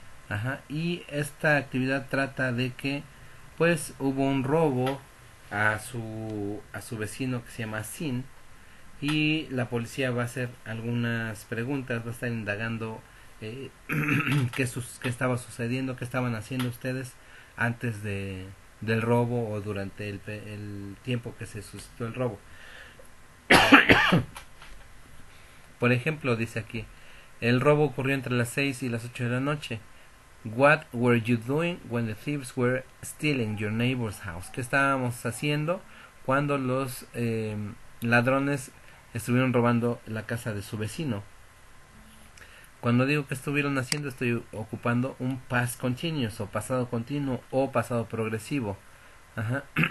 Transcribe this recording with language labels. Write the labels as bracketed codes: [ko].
[es] Ajá, y esta actividad trata de que, pues, hubo un robo a su vecino, que se llama Sin, y la policía va a hacer algunas preguntas, va a estar indagando qué estaba sucediendo, qué estaban haciendo ustedes antes del robo o durante el tiempo que se suscitó el robo. Por ejemplo, dice aquí, el robo ocurrió entre las 6 y las 8 de la noche. [en] What were you doing when the thieves were stealing your neighbor's house? [es] ¿Qué estábamos haciendo cuando los ladrones estuvieron robando la casa de su vecino? Cuando digo que estuvieron haciendo, estoy ocupando un past continuous o pasado continuo o pasado progresivo. Ajá.